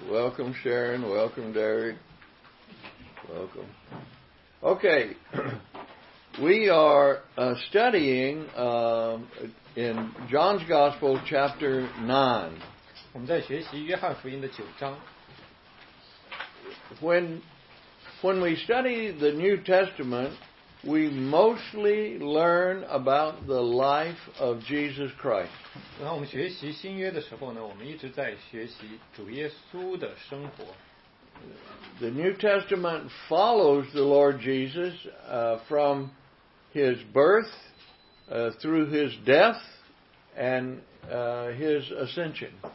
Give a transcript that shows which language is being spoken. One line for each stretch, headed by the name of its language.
English: Welcome Sharon, welcome Derek, welcome. Okay, we are studying in John's Gospel, chapter 9.
Chinese: 我们在学习约翰福音的9章。
English: When we study the New Testament, we mostly learn about the life of Jesus Christ.
Chinese: 然后我们学习新约的时候呢，我们一直在学习主耶稣的生活。
English: The New Testament follows the Lord Jesus from his birth through his death and his ascension.